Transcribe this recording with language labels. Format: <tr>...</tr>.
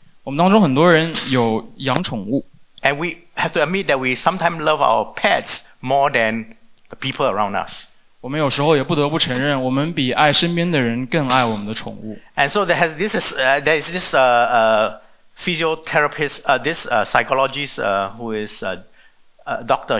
<zh>我们当中很多人有养宠物。</zh> <en>And we have to admit that we sometimes love our pets more than the people around us.</en> <zh>我们有时候也不得不承认，我们比爱身边的人更爱我们的宠物。</zh> <en>And so there is this psychologist, a doctor.</en>